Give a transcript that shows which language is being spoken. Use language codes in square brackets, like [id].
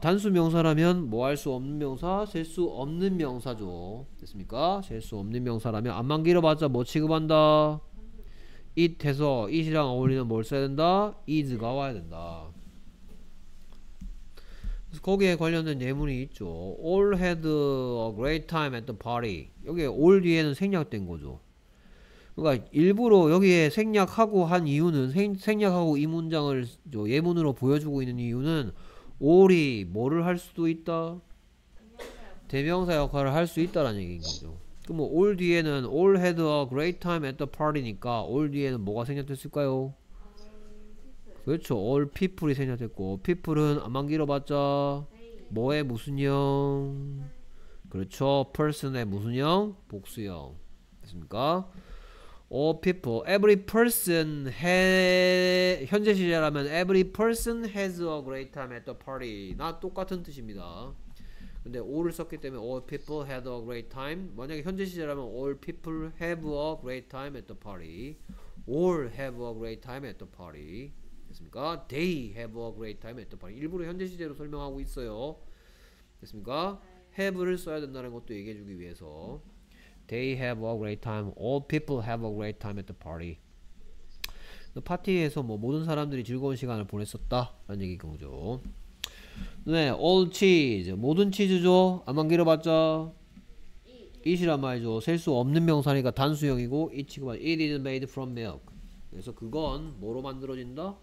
[ko] 단수명사라면 뭐 할 수 없는 명사? 셀 수 없는 명사죠. 됐습니까? 셀 수 없는 명사라면 안만 길어봤자 뭐 취급한다? It 해서 it이랑 어울리는 뭘 써야 된다? is가 와야 된다. 그래서 거기에 관련된 예문이 있죠. [en] All had a great time at the party. [ko] 여기에 all 뒤에는 생략된 거죠. 그러니까 일부러 여기에 생략하고 한 이유는 생략하고 이 문장을 저 예문으로 보여주고 있는 이유는 all이 뭐를 할 수도 있다? 대명사 역할을 할 수 있다라는 얘기인 거죠. 그럼 뭐 all 뒤에는 all had a great time at the party니까 all 뒤에는 뭐가 생략됐을까요? 그렇죠. All people이 생략됐고 people은 안만 길어봤자 뭐의 무슨형? 그렇죠. person의 무슨형? 복수형. 됐습니까? [en] All people, every person had [ko] 현재 시제라면 [en] every person has a great time at the party. [ko] 나 똑같은 뜻입니다. 근데 all을 썼기 때문에 [en] all people had a great time. [ko] 만약에 현재 시제라면 [en] all people have a great time at the party. All have a great time at the party. [ko] 됐습니까? [en] They have a great time at the party. [ko] 일부러 현재 시제로 설명하고 있어요. 됐습니까? Have를 써야 된다는 것도 얘기해 주기 위해서. [en] They have a great time. All people have a great time at the party. [ko] 파티에서 뭐 모든 사람들이 즐거운 시간을 보냈었다. 라는 얘기겠죠. 네, all cheese. 모든 치즈죠. 안만 길어봤자 it이란 말이죠. 셀 수 없는 명사니까 단수형이고 [en] it is made from milk. [ko] 그래서 그건 뭐로 만들어진다?